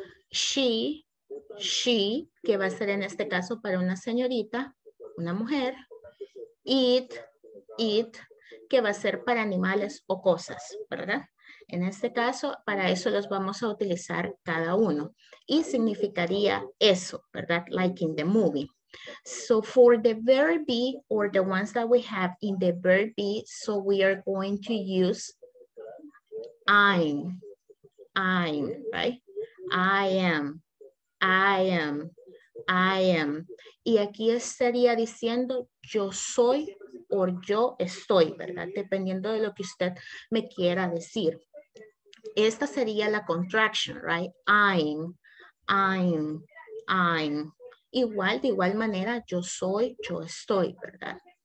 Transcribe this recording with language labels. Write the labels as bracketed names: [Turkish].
[Spanish] She, que va a ser en este caso para una señorita, una mujer. It, que va a ser para animales o cosas, ¿verdad? En este caso, para eso los vamos a utilizar cada uno. Y significaría eso, ¿verdad? Like in the movie. [English] So for the verb be, or the ones that we have in the verb be, so we are going to use I'm, right? I am. [Spanish] Y aquí estaría diciendo yo soy o yo estoy, ¿verdad? Dependiendo de lo que usted me quiera decir. Esta sería la contraction, right? I'm. De igual manera, yo soy, yo estoy, ¿verdad?